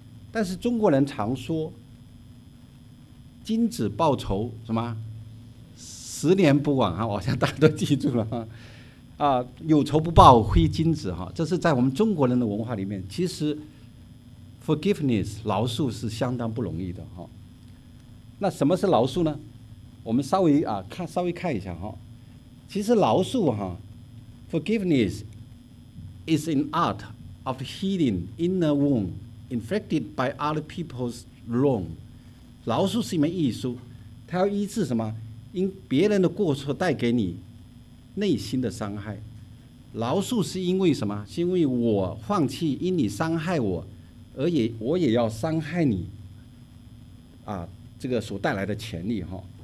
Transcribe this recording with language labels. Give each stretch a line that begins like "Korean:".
Chinese: 但是中国人常说君子报仇什么十年不晚啊，我想大家都记住了啊，有仇不报非君子哈，这是在我们中国人的文化里面。其实 ，forgiveness 饶恕是相当不容易的哈。那什么是饶恕呢？我们稍微啊看稍微看一下哈。其实饶恕哈
English: ，forgiveness is an art of healing inner wound inflicted by other people's wrong。
Chinese: 饶恕是一门艺术，它要医治什么？因别人的过错带给你。内心的伤害，饶恕是因为什么？是因为我放弃因你伤害我，而也我也要伤害你，啊，这个所带来的潜力哈。